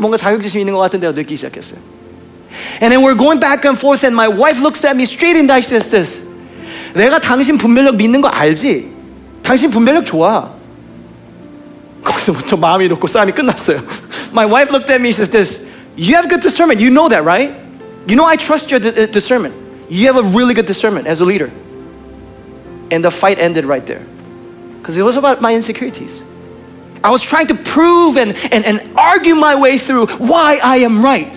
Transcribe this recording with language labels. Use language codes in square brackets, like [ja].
[ko] 뭔가 자격지심이 있는 것 같은데 느끼기 시작했어요. [en] And then we're going back and forth and my wife looks at me straight in the eyes and says this. [ko] 내가 당신 분별력 믿는 거 알지? 당신 분별력 좋아. 거기서부터 마음이 놓고 싸움이 끝났어요. [en] My wife looked at me and said this. You have good discernment. You know that, right? You know I trust your discernment. You have a really good discernment as a leader. And the fight ended right there. Because it was about my insecurities. I was trying to prove and argue my way through why I am right.